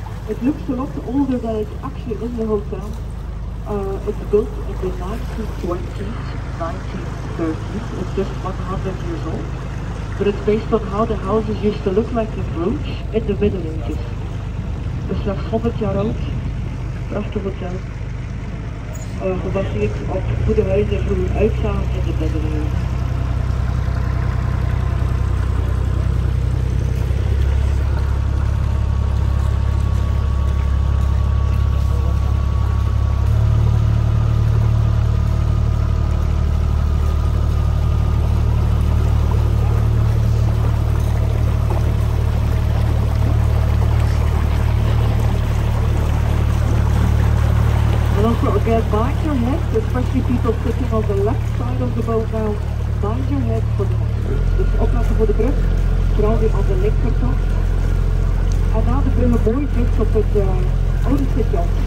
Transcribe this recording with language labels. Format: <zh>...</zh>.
<en>It looks a lot older than it actually is, the hotel. It's built in the 1920s, 1930s. It's just 100 years old. But it's based on how the houses used to look like in Bruges in the Middle Ages.</en> <nl>Het is slechts 100 jaar oud, prachtig hotel, gebaseerd op hoe de huizen vroeger uitzagen in de middeleeuwen.</nl> <en>Mind your head, especially people sitting on the left side of the boat now. Mind your head for the brug.</en> <nl>Dus opletten voor de brug, vooral die aan de linkerkant. En na de brug een mooie brug op het oude station.</nl>